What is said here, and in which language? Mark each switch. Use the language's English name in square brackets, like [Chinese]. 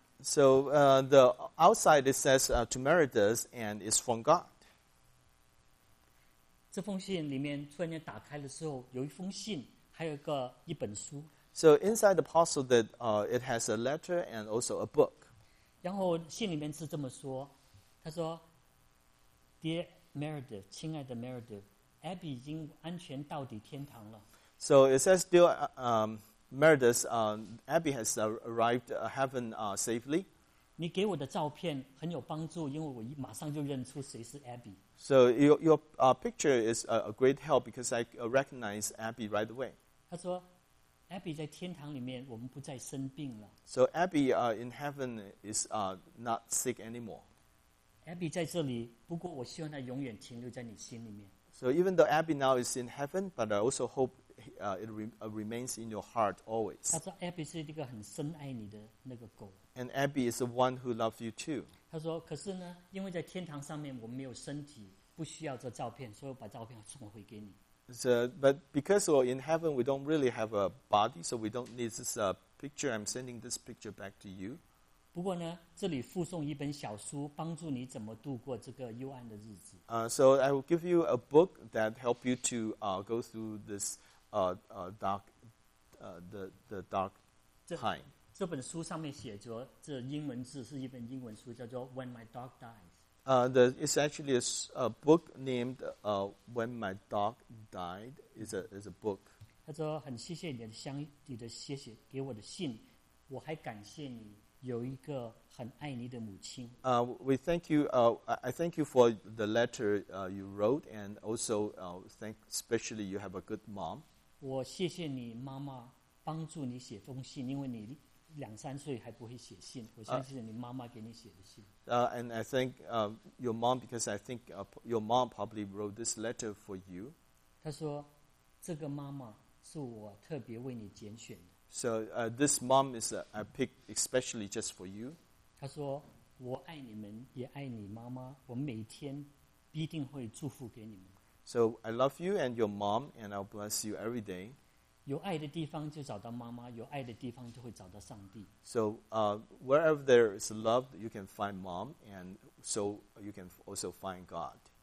[English] So the outside it says "To Meredith" and it's from God. [Chinese] 这封信里面突然间打开的时候，有一封信，还有一本书。 [English] So inside the parcel, that it has a letter and also a book. [Chinese] 然后信里面是这么说，他说。 [English] Dear Meredith, [Chinese] 亲爱的 Meredith, Abby 已经安全到底天堂了。 [English] So it says, dear Meredith, Abby has arrived heaven safely. [Chinese] 你给我的照片很有帮助，因为我马上就认出谁是 Abby. [English] So your picture is a great help because I recognize Abby right away. [Chinese] 他说 ，Abby 在天堂里面，我们不再生病了。 [English] So Abby in heaven is not sick anymore. [Chinese] Abby 在这里，不过我希望他永远停留在你心里面。 [English] So even though Abby now is in heaven, but I also hope remains in your heart always. [Chinese] 他说 Abby 是一个很深爱你的那个狗。 [English] And Abby is the one who loves you too. [Chinese] 他说，可是呢，因为在天堂上面我没有身体，不需要这照片，所以我把照片送回给你。 [English] So, but because we're in heaven, we don't really have a body, so we don't need this picture. I'm sending this picture back to you. [Chinese] 不过呢，这里附送一本小书，帮助你怎么度过这个幽暗的日子。 [English] So I will give you a book that help you to go through this dark time. [Chinese] 这本书上面写着，这英文字是一本英文书，叫做 When My Dog Dies. [English] It's actually a book named When My Dog Died. It's a book. [Chinese] 他说很谢谢你的相你的谢谢给我的信，我还感谢你。有一个很爱你的母亲。 [English] We thank you. I thank you for the letter you wrote, and also thank especially you have a good mom. [Chinese] 我谢谢你妈妈帮助你写封信，因为你两三岁还不会写信。我相信你妈妈给你写的信。 [English] And I thank your mom because I think your mom probably wrote this letter for you. [Chinese] 她说，这个妈妈是我特别为你拣选的。 [English] So this mom is a pick especially just for you. [Chinese] 他说，我爱你们，也爱你妈妈。我们每天必定会祝福给你们。 [English] So I love you and your mom, and I'll bless you every day. [Chinese] 有爱的地方就找到妈妈，有爱的地方就会找到上帝。 [English] So wherever there is love, you can find mom, and so you can also find God.